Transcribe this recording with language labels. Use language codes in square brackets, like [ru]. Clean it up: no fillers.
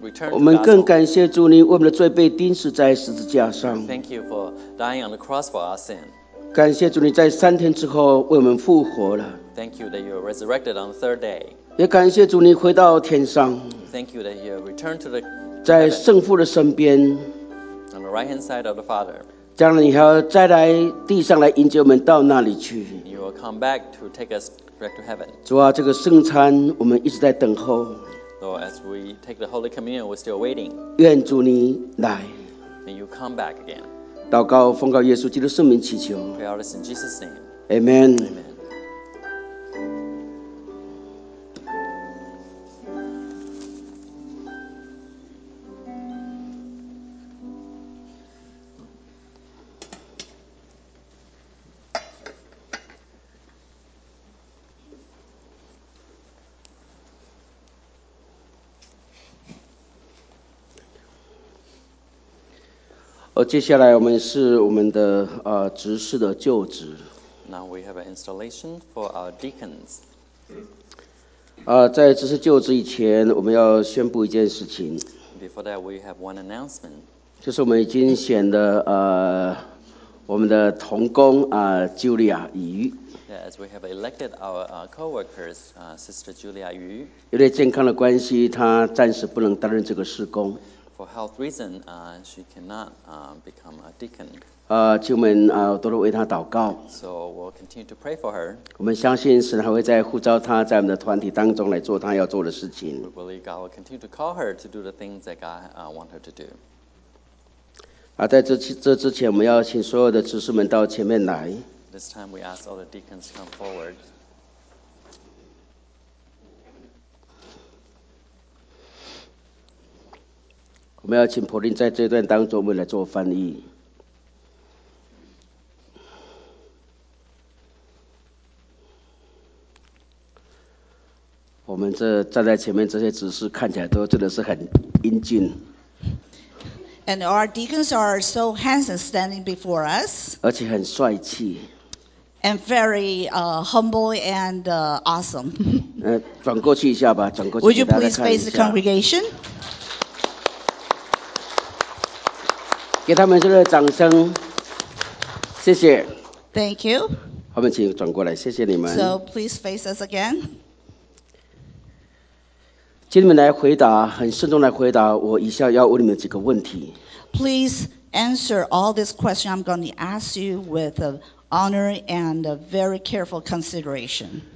[zh] 我们更感谢主，你为我们的罪被钉死在十字架上。 [en] Thank you for dying on the cross for our sin. [zh] 感谢主，你在三天之后为我们复活了。 [en] Thank you that you were resurrected on the third day. [zh] 也感谢主，你回到天上。 [en] Thank you that you returned to the [zh] 在圣父的身边。 [en] On the right hand side of the Father. [zh] 将来你还要再来地上来迎接我们到那里去。 [en] You will come back to take us back to heaven. [zh] 主啊，这个圣餐我们一直在等候。 [en] Lord, as we take the holy communion, we're still waiting. [zh] 愿主你来。 [en] May you come back again. [zh] 祷告奉告耶稣基督圣名祈求。 [en] Pray all this in Jesus' name. Amen. Amen. [zh] 接下来我们是我们的执事的就职。 [en] Now we have an installation for our deacons. [zh] 在执事就职以前，我们要宣布一件事情。 [en] Before that, we have one announcement. [zh] 就是我们已经选的我们的同工Julia 鱼。 [en] Yeah, as we have elected our co-workers, Sister Julia 鱼。 [zh] 因为健康的关系，她暂时不能担任这个事工。 [en] For health reason, she cannot become a deacon. [zh] 请我们多多为她祷告。 [en] So we'll continue to pray for her. [zh] 我们相信神还会再呼召她在我们的团体当中来做她要做的事情。 [en] We believe God will continue to call her to do the things that God want her to do. [zh] 在这之前，我们要请所有的执事们到前面来。 [en] This time we ask all the deacons to come forward. [zh] 我们要请普林在这段当中，我们来做翻译。我们这站在前面这些执事看起来都真的是很英俊。 [en] And our deacons are so handsome standing before us. [zh] 而且很帅气。 [en] And very humble and awesome. [zh] 转过去一下吧，转过去。 [en] Would you please face the congregation? [zh] 给他们这个掌声，谢谢。 [en] Thank you。 [zh] 后面请转过来，谢谢你们。 [en] So please face us again。 [zh] 请你们来回答，很慎重来回答我以下要问你们几个问题。 [en] Please answer all this question I'm going to ask you with honor and a very careful consideration。